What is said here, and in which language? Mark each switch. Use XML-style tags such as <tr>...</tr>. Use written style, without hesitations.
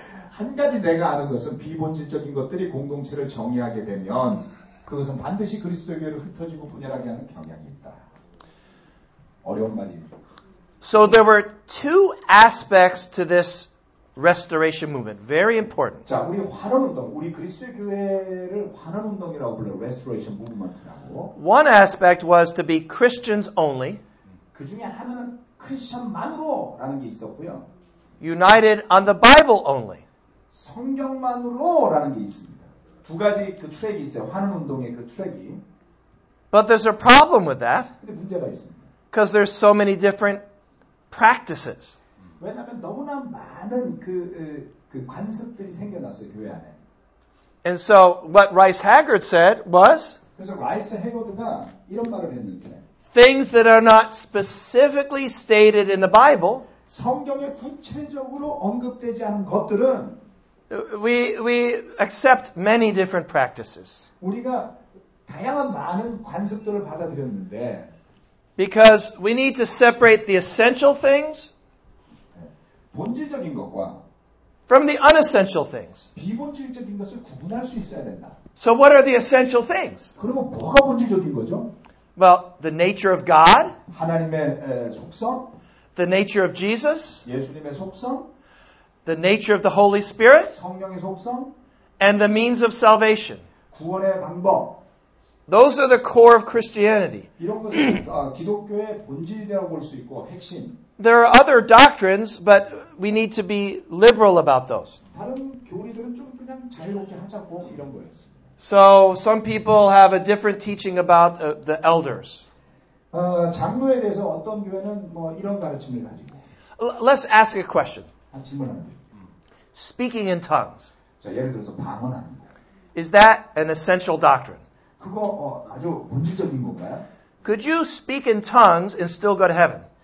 <ko>한 가지 내가 아는 것은 비본질적인 것들이 공동체를 정의하게 되면 그것은 반드시 그리스도 교회를 흩어지고 분열하게 하는 경향이 있다. 어려운 말입니다.</ko> <en>So there were two aspects to this Restoration movement, very important.</en> <ko>자, 우리 환원 운동, 우리 그리스도 교회를 환원 운동이라고 불러요. Restoration movement라고.</ko> <en>One aspect was to be Christians only.</en> <ko>그 중에 하나는 크리스천만으로라는 게 있었고요.</ko> <en>United on the Bible only.</en> <ko>성경만으로라는 게 있습니다. 두 가지 그 트랙이 있어요. 환원 운동의 그 트랙이.</ko> <en>But there's a problem with that.</en> <ko>근데 문제가 있습니다.</ko> <en>Because there's so many different practices.</en> <ko>왜냐하면 너무나 많은 그 관습들이 생겨났어요 교회 안에.</ko> <en>And so what Rice Haggard said was.</en> <ko>그래서 라이스 해거드가 이런 말을 했는데.</ko> <en>Things that are not specifically stated in the Bible.</en> <ko>성경에 구체적으로 언급되지 않은 것들은.</ko> <en>We accept many different practices.</en> <ko>우리가 다양한 많은 관습들을 받아들였는데.</ko> <en>Because we need to separate the essential things.</en> <ko>본질적인 것과</ko> <en>from the unessential things.</en> <ko>비본질적인 것을 구분할 수 있어야 된다.</ko> <en>So what are the essential things?</en> <ko>그러면 뭐가 본질적인 거죠?</ko> <en>Well, the nature of God.</en> <ko>하나님의 속성.</ko> <en>The nature of Jesus.</en> <ko>예수님의 속성.</ko> <en>The nature of the Holy Spirit.</en> <ko>성령의 속성.</ko> <en>And the means of salvation.</en> <ko>구원의 방법.</ko> <en>Those are the core of Christianity.</en> <ko>이런 것을 기독교의 본질이라고 볼 수 있고 핵심.</ko> <en>There are other doctrines, but we need to be liberal about those.</en> <ko>다른 교리들은 좀 그냥 자유롭게 하자고 이런 거였습니다.</ko> <en>So some people have a different teaching about the elders.</en> <ko>장로에 대해서 어떤 교회는 뭐 이런 가르침을 가지고.</ko> <en>Let's ask a question.</en> <ko>질문합니다.</ko> <en>Speaking in tongues.</en> <ko>자, 예를 들어서 방언합니다.</ko> <en>Is that an essential doctrine?</en> <ko>그거 아주 본질적인 건가요?</ko> <en>Could you speak in tongues and still go to heaven?</en>